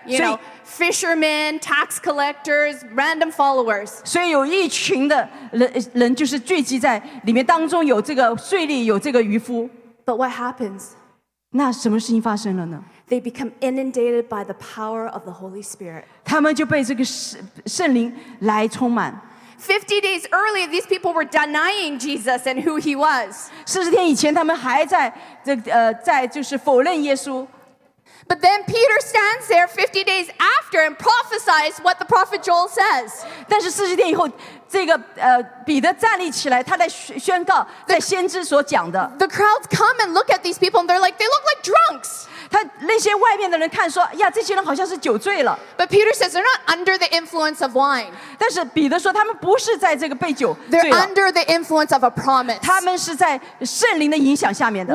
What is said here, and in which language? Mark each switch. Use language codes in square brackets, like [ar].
[en] You know, fishermen, tax collectors, random followers. [zh] 所以有一群的人就是聚集在里面，当中有这个税吏，有这个渔夫。 [en] But what happens? [zh] 那什么事情发生了呢？ [en] They become inundated by the power of the Holy Spirit. [zh] 他们就被这个圣灵来充满。 [en] 50 days earlier, these people were denying Jesus and who he was. [zh] 40天以前他们还在这在就是否认耶稣。 [en] But then Peter stands there 50 days after and prophesies what the prophet Joel says. [zh] 但是40天以后这个彼得站立起来他在宣告在先知所讲的。 [en] The crowds come and look at these people and they're like, they look like drunks. [zh] 他那些外面的人看说呀这些人好像是酒醉了。 [en] But Peter says they're not under the influence of wine. [zh] 但是彼得说他们不是在这个被酒醉了。 [en] They're under the influence of a promise. [zh] 他们是在圣灵的影响下面的。